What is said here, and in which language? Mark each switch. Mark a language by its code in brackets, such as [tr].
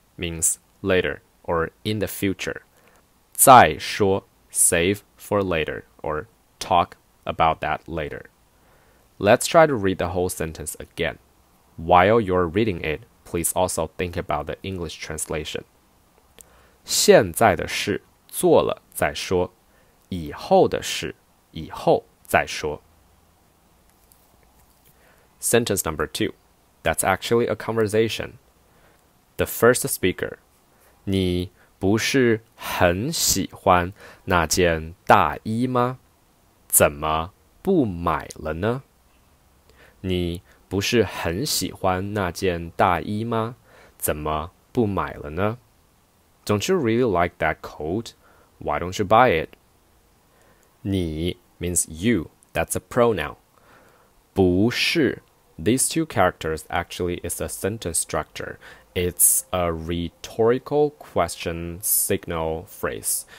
[en] means later or in the future. [zh] 再说 [en] save for later or talk about that later. Let's try to read the whole sentence again. While you're reading it, please also think about the English translation. 现在的事做了再说，以后的事以后再说。 Sentence number two. That's actually a conversation. The first speaker. [zh] 你不是很喜欢那件大衣吗？怎么不买了呢？你不是很喜欢那件大衣吗？怎么不买了呢？ [en] Don't you really like that coat? Why don't you buy it? [zh] 你 [en] means you, that's a pronoun. [zh] 不是 [en] These two characters actually is a sentence structure. It's a rhetorical question signal phrase.